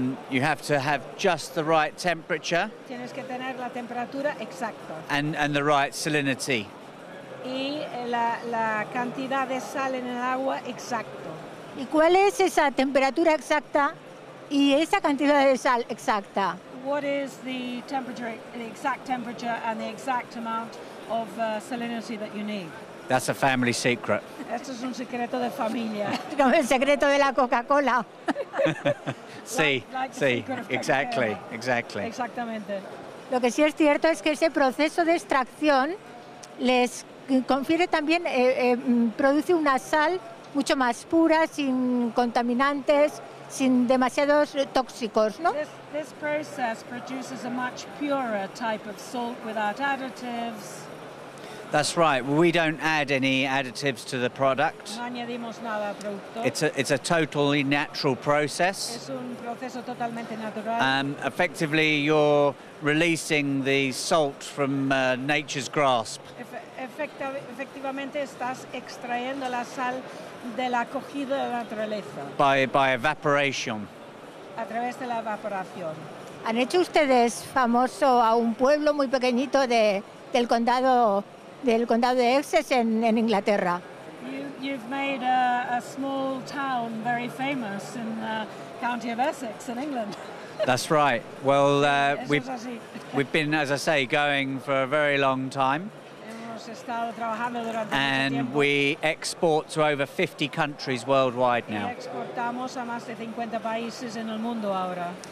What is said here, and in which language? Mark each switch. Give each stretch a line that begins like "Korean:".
English: you have to have just the right temperature.
Spanish: Tienes que tener la temperatura exacta.
English: And the right salinity.
Spanish: Y la cantidad de sal en el agua exacto. ¿Y cuál es esa temperatura exacta y esa cantidad de sal exacta?
English: What is the exact temperature and the exact amount of salinity that you need? That's a family secret.
Spanish: Esto es un secreto de familia. Como el secreto de la Coca-Cola.
English: Sí, exactly.
Spanish: Exactamente. Lo que sí es cierto es que ese proceso de extracción les confiere también, produce una sal mucho más pura, sin contaminantes, sin demasiados tóxicos, ¿no?
English: This process produces a much purer type of salt without additives. That's right. We don't add any additives to the product.
Spanish: No añadimos nada al producto.
English: It's a totally natural process.
Spanish: Es un proceso totalmente natural.
English: Effectively, you're releasing the salt from nature's grasp.
Spanish: Efectivamente, estás extrayendo la sal de la acogida de la naturaleza.
English: By evaporation.
Spanish: A través de la evaporación. ¿Han hecho ustedes famoso a un pueblo muy pequeñito del condado de Essex en Inglaterra?
English: You've made a small town very famous in the county of Essex in England. That's right. Well, we've been, as I say, going for a very long time.
Spanish: Hemos estado trabajando durante mucho tiempo.
English: And we export to over 50 countries worldwide now.
Spanish: Y exportamos a más de 50 países en el mundo ahora.